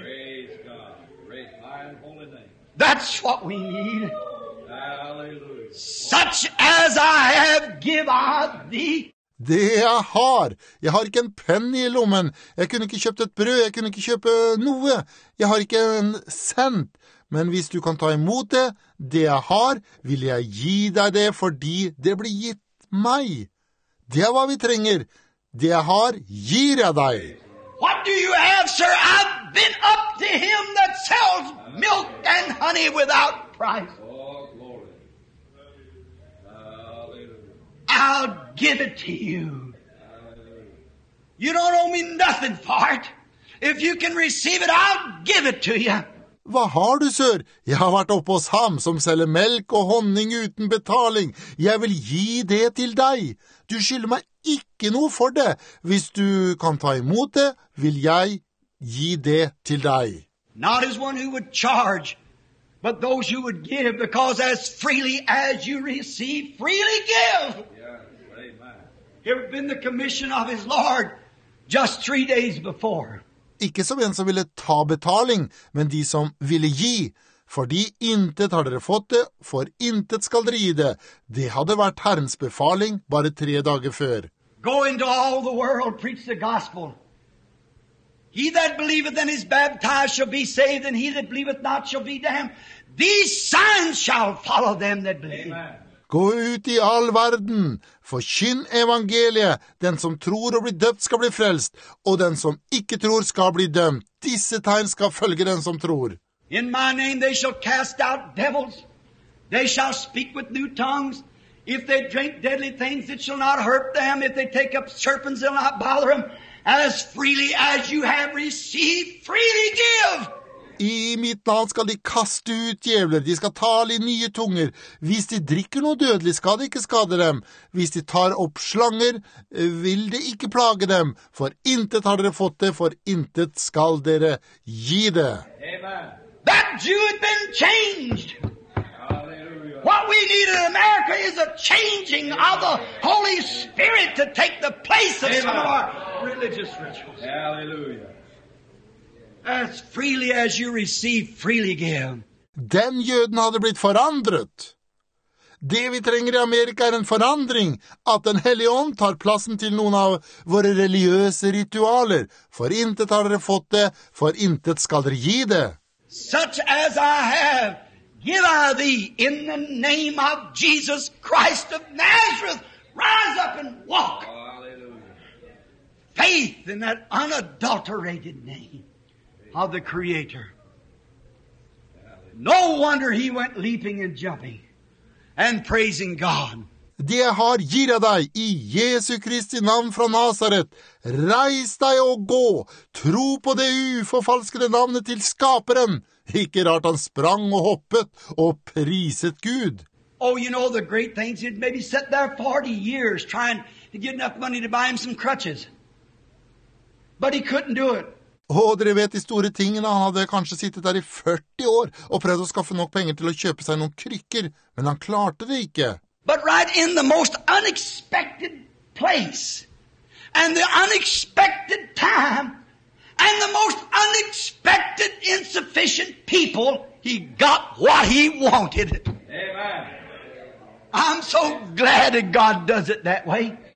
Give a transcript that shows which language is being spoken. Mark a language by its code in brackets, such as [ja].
[en] Praise God. Praise my holy name. That's what we need. Hallelujah. Such as I have give I thee. [no] Det jeg har. Jeg har ikke en penny i lommen. Jeg kunne ikke kjøpt et brød. Jeg kunne ikke kjøpe noe. Jeg har ikke en cent. Men hvis du kan ta imot det, det jeg har, vil jeg gi deg det fordi det blir gitt meg. Det er hva vi trenger. Det jeg har, gir jeg deg. [en] What do you have, sir? I've been up to him that sells milk and honey without price. Oh, glory. Hallelujah. I'll give it to you. You don't owe me nothing for it. If you can receive it, I'll give it to you. [no] Hva har du, sir? Jeg har vært oppe hos ham som selger melk og honning uten betaling. Jeg vil gi det til deg. Du skylder meg ikke noe for det. Hvis du kan ta imot det, vil jeg gi det til deg. [en] Not as one who would charge, but those who would give, because as freely as you receive, freely give. Yeah, amen. It had been the commission of his Lord just 3 days before. [no] Ikke som en som ville ta betaling, men de som ville gi. Fordi intet har dere fått det, for intet skal dere gi det. Det hadde vært Herrens befaling bare 3 dager før. [en] Go into all the world, preach the gospel. He that believeth and is baptized shall be saved, and he that believeth not shall be damned. These signs shall follow them that believe. Amen. [no] Gå ut i all verden, forkynn evangeliet, den som tror og blir døpt skal bli frelst, og den som ikke tror skal bli dømt. Disse tegn skal følge den som tror. [en] In my name they shall cast out devils, they shall speak with new tongues, if they drink deadly things it shall not hurt them, if they take up serpents it will not bother them, as freely as you have received, freely give! [no] I mitt navn skal de kaste ut djevler, de skal tale i nye tunger. Hvis de drikker noe dødelig, skal det ikke skade dem. Hvis de tar opp slanger, vil det ikke plage dem. For intet har dere fått det, for intet skal dere gi det. [en] Amen. That Jew had been changed. Hallelujah. What we need in America is a changing of the Holy Spirit to take the place of some of our religious rituals. Hallelujah. As freely as you receive, freely give. [no] Den jøden hadde blitt forandret. Det vi trenger i Amerika en forandring, at den hellige ånd tar plassen til noen av våre religiøse ritualer. For intet har dere fått det, for intet skal dere gi det. [en] Such as I have, give I thee in the name of Jesus Christ of Nazareth. Rise up and walk. Hallelujah. Faith in that unadulterated name of the Creator. No wonder he went leaping and jumping and praising God. [no] Det jeg har, gir jeg deg i Jesu Kristi navn fra Nazaret. Reis deg og gå. Tro på det uforfalskede navnet til Skaperen. Ikke rart han sprang og hoppet og priset Gud. [en] Oh, you know the great things. He'd maybe sit there 40 years trying to get enough money to buy him some crutches. But he couldn't do it. [no] Oh, dere vet de store tingene. Han hadde kanskje sittet der I 40 år og prøvd å skaffe nok penger til å kjøpe seg noen krykker, men han klarte det ikke. [en] But right in the most unexpected place and the unexpected time and the most unexpected insufficient people, he got what he wanted. Amen. I'm so glad that God does it that way.